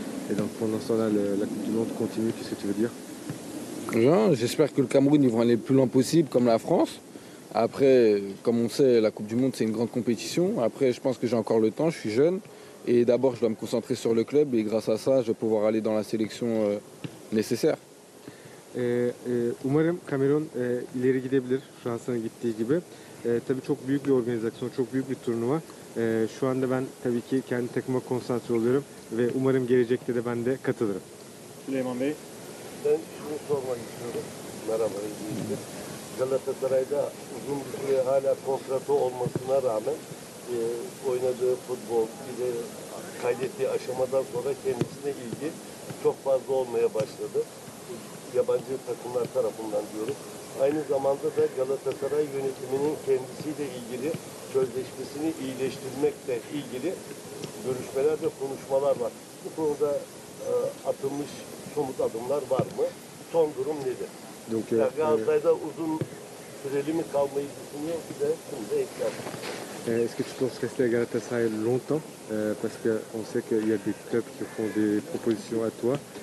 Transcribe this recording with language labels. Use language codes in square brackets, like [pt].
[fr] Et donc pendant ce temps-là, la Coupe du Monde continue. Qu'est-ce que tu veux dire? J'espère que le Cameroun ils vont aller le plus loin possible, comme la France. Après, comme on sait, la Coupe du Monde c'est une grande compétition. Après, je pense que j'ai encore le temps, je suis jeune. Et d'abord, je dois me concentrer sur le club et grâce à ça, je vais pouvoir aller dans la sélection nécessaire. [tr] Umarım Kamerun ileri gidebilir Fransa'nın gittiği gibi. Tabii çok büyük bir organizasyon, çok büyük bir turnuva. Şu anda ben tabii ki kendi takıma konsantre oluyorum ve umarım gelecekte de ben de katılırım. Süleyman Bey. Ben şunu sormak istiyorum. Merhaba izleyiciler. Galatasaray'da uzun bir süre hala kontratı olmasına rağmen oynadığı futbol, bize kaydettiği aşamadan sonra kendisine ilgi çok fazla olmaya başladı. Yabancı takımlar tarafından diyorum. Aynı zamanda da Galatasaray yönetiminin kendisiyle ilgili sözleşmesini iyileştirmekle ilgili görüşmeler ve konuşmalar var. Bu konuda atılmış somut adımlar var mı? Son durum nedir? [fr] Donc, [tr] Galatasaray'da uzun süreli mi kalmayı düşünüyor? Bir de bunu da eklerim. [fr] Est-ce que tu penses rester à Galatasaray longtemps? Parce qu'on sait qu'il y a des clubs qui font des propositions à toi.